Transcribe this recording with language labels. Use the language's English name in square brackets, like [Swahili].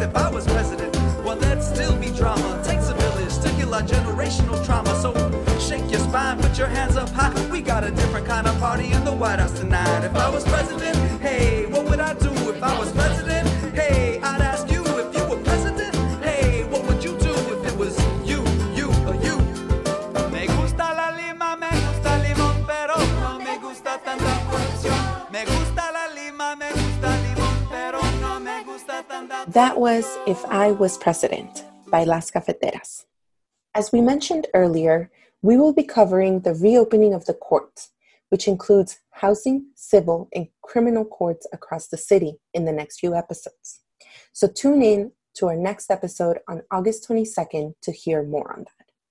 [English] If I was president, well, that'd still be drama. Takes a village to kill our generational trauma. So shake your spine, put your hands up high. We got a different kind of party in the White House tonight. If I was president, hey, what would I do? If I was president, hey, I'd ask you. If you were president, hey, what would you do? If it was you, you, or you. [Spanish] Me gusta la lima, me gusta el limón, pero no me gusta tanta corrupción. Me gusta la lima, me gusta el limón, pero no me gusta tanta corrupción. [English] That was If I Was President by Las Cafeteras. As we mentioned earlier, we will be covering the reopening of the courts, which includes housing, civil, and criminal courts across the city in the next few episodes. So tune in to our next episode on August 22nd to hear more on that.